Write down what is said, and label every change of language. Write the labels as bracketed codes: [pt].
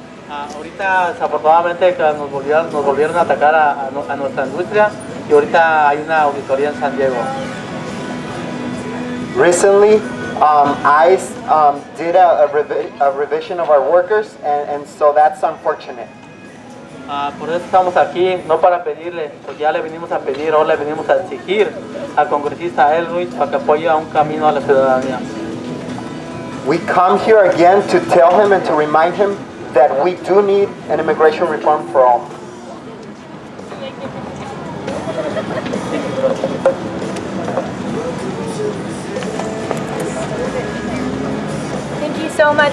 [es] Ahorita desafortunadamente nos volvieron a atacar a nuestra industria y ahorita hay una auditoría en San Diego. [en] Recently, ICE did a revision of our workers, and so that's unfortunate. [es] Por eso estamos aquí, no para pedirle, porque ya le venimos a pedir, ahora le venimos a exigir al congresista Elwitz para que apoye a un camino a la ciudadanía. [en] We come here again to tell him and to remind him that we do need an immigration reform for all. Thank you so much.